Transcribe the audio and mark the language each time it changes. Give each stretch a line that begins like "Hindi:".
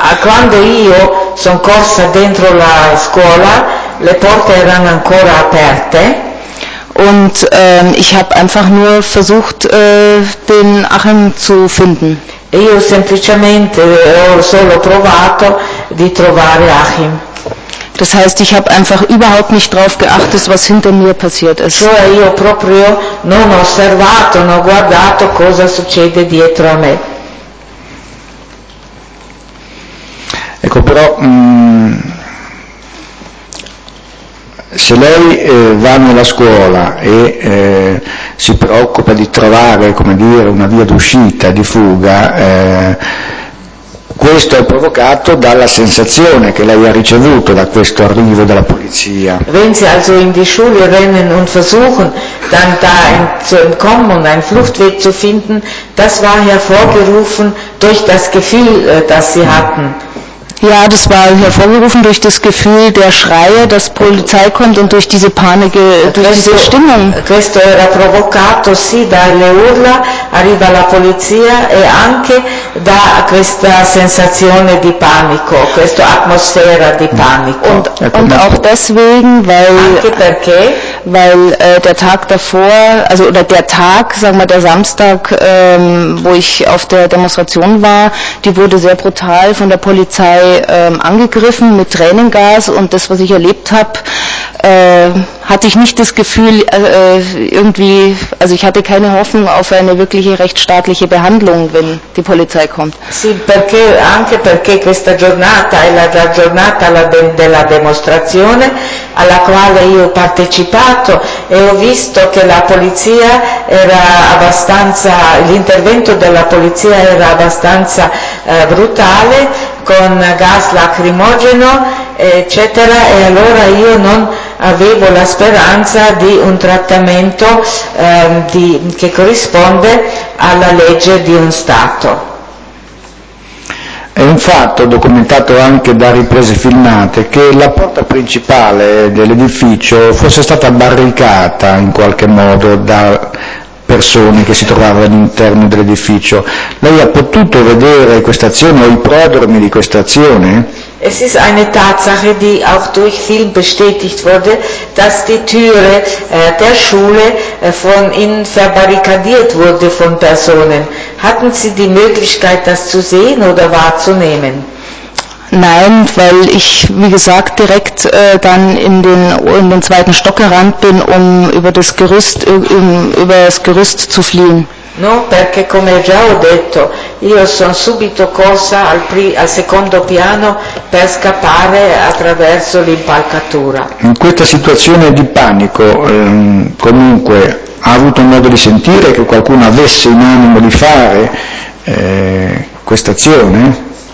Italian: Quando io sono corsa dentro la scuola, le porte erano ancora aperte.
German: Und ich habe einfach nur versucht, den Achim zu finden.
Italian: Io semplicemente ho solo provato di trovare Achim.
German: Das heißt, ich habe einfach überhaupt nicht drauf geachtet, was hinter mir passiert ist.
Italian: Cioè, io proprio non ho osservato, non ho guardato cosa succede dietro a me. Ecco, però se lei va nella scuola e si preoccupa di trovare, come dire, una via d'uscita, di fuga, questo è provocato dalla sensazione che lei ha ricevuto da questo arrivo della polizia.
German: Wenn Sie also in die Schule rennen und versuchen, dann da zu entkommen und einen Fluchtweg zu finden, das war hervorgerufen durch das Gefühl, das Sie hatten. Ja, das war hervorgerufen durch das Gefühl der Schreie, dass Polizei kommt und durch diese Panik, durch diese Stimmung.
Italian: Questo era provocato sì dalle urla, arriva la polizia e anche da questa sensazione di panico, questa atmosfera di panico.
German: Und auch deswegen, weil
Italian: anche perché
German: weil der Tag davor, also oder der Tag, sagen wir der Samstag, wo ich auf der Demonstration war, die wurde sehr brutal von der Polizei angegriffen mit Tränengas, und das, was ich erlebt habe, hatte ich nicht das Gefühl, irgendwie, also ich hatte keine Hoffnung auf eine wirkliche rechtsstaatliche Behandlung, wenn die Polizei kommt.
Italian: Sì, perché anche perché questa giornata è la giornata della demonstrazione alla quale io ho partecipato e ho visto che la polizia era abbastanza, l'intervento della polizia era abbastanza brutale con gas lacrimogeno, eccetera, e allora io non avevo la speranza di un trattamento che corrisponde alla legge di un Stato. È un fatto documentato anche da riprese filmate che la porta principale dell'edificio fosse stata barricata in qualche modo da persone che si trovavano all'interno dell'edificio. Lei ha potuto vedere questa azione o i prodromi di questa azione?
German: Es ist eine Tatsache, die auch durch Film bestätigt wurde, dass die Türe der Schule von innen verbarrikadiert wurde von Personen. Hatten Sie die Möglichkeit, das zu sehen oder wahrzunehmen? Nein, weil ich, wie gesagt, direkt dann in den zweiten Stock gerannt bin, um über das Gerüst zu fliehen.
Italian: No, perché come già ho detto, io sono subito corsa al secondo piano per scappare attraverso l'impalcatura. In questa situazione di panico, comunque, ha avuto modo di sentire che qualcuno avesse in animo di fare questa azione?